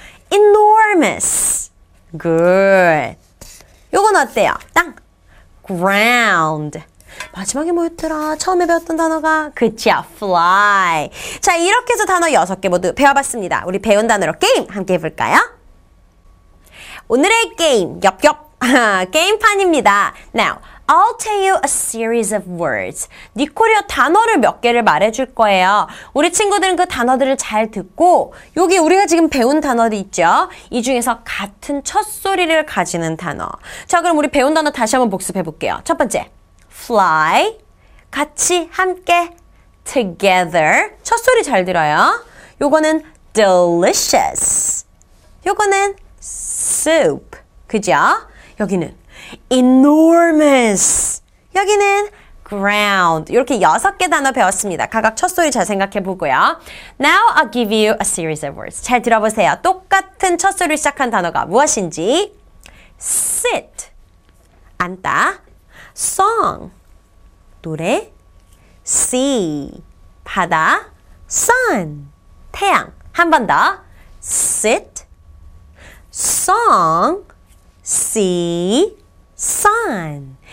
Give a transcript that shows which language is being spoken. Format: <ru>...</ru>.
<ko>enormous. good. 요건 어때요? 땅. ground. 마지막에 뭐였더라? 처음에 배웠던 단어가 그치야, fly. 자, 이렇게 해서 단어 6개 모두 배워봤습니다. 우리 배운 단어로 게임 함께 해볼까요? 오늘의 게임, 엽엽. 게임판입니다.</ko> <en>Now, I'll tell you a series of words.</en> <ko>니콜이요, 단어를 몇 개를 말해줄 거예요. 우리 친구들은 그 단어들을 잘 듣고 여기 우리가 지금 배운 단어도 있죠? 이 중에서 같은 첫 소리를 가지는 단어. 자, 그럼 우리 배운 단어 다시 한번 복습해볼게요. 첫 번째, fly, 같이, 함께, together. 첫 소리 잘 들어요. 요거는 delicious. 요거는 soup. 그죠? 여기는 enormous. 여기는 ground. 이렇게 여섯 개 단어 배웠습니다. 각각 첫 소리 잘 생각해 보고요.</ko> <en>Now I'll give you a series of words.</en> <ko>잘 들어보세요. 똑같은 첫 소리를 시작한 단어가 무엇인지. sit, 앉다. song, 노래. sea, 바다. sun, 태양. 한 번 더.</ko> <en>sit, song, see, sun.</en>